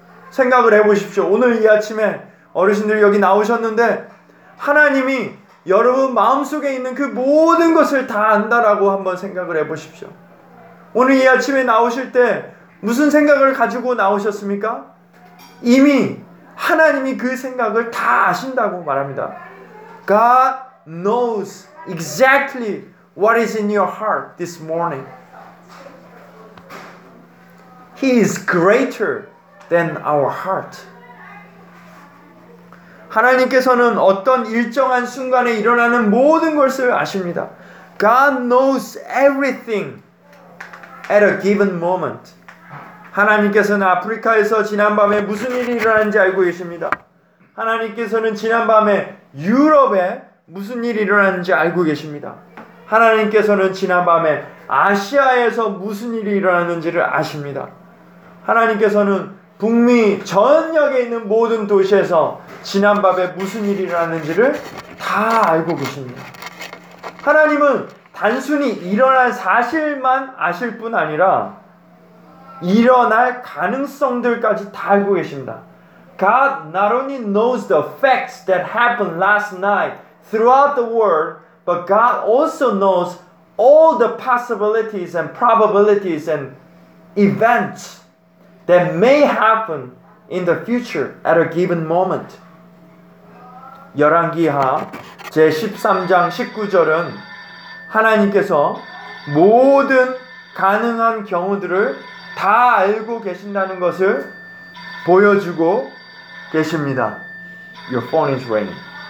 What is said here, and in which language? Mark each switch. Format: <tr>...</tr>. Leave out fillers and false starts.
<ko>생각을 해보십시오. 오늘 이 아침에 어르신들 여기 나오셨는데 하나님이 여러분 마음속에 있는 그 모든 것을 다 안다라고 한번 생각을 해보십시오. 오늘 이 아침에 나오실 때 무슨 생각을 가지고 나오셨습니까? 이미 하나님이 그 생각을 다 아신다고 말합니다.</ko> <en>God knows exactly what is in your heart this morning. He is greater than our heart.</en> <ko>하나님께서는 어떤 일정한 순간에 일어나는 모든 것을 아십니다.</ko> <en>God knows everything at a given moment.</en> <ko>하나님께서는 아프리카에서 지난밤에 무슨 일이 일어났는지 알고 계십니다. 하나님께서는 지난밤에 유럽에 무슨 일이 일어났는지 알고 계십니다. 하나님께서는 지난밤에 아시아에서 무슨 일이 일어났는지를 아십니다. 하나님께서는 북미 전역에 있는 모든 도시에서 지난밤에 무슨 일이 일어났는지를 다 알고 계십니다. 하나님은 단순히 일어날 사실만 아실 뿐 아니라 일어날 가능성들까지 다 알고 계십니다.</ko> <en>God not only knows the facts that happened last night throughout the world, but God also knows all the possibilities and probabilities and events that may happen in the future at a given moment. 열왕기하</en> <ko>제 13장 19절은 하나님께서 모든 가능한 경우들을 다 알고 계신다는 것을 보여주고 계십니다. Your phone is ringing.</ko>